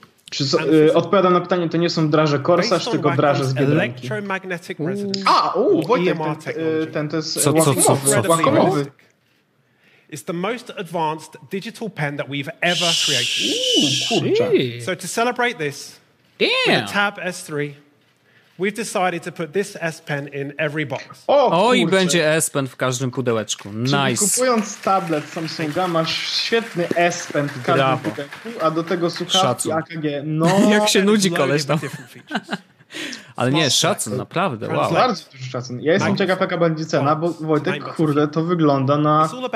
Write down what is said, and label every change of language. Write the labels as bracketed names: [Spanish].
[Polish] Czy odpowiadam na pytanie, to nie są draże Corsair, tylko draże z Biedronki. A, Wojtek, ten to jest łakomowy. [English] It's the most advanced digital pen that we've ever created. Ooh, so to celebrate this, damn. With the Tab S3, we've decided to put this S Pen in every box. [Polish] O, i będzie S Pen w każdym pudełeczku. [English] Nice. [Polish] Czyli kupując tablet Samsunga, masz świetny S Pen w każdym Brawo. Pudełku, a do tego słuchawki AKG. No, jak się nudzi koleś tam. Ale nie, szacun, naprawdę, wow. Bardzo duży szacun. Ja jestem ciekaw, jaka będzie cena, bo Wojtek, kurde, to wygląda na...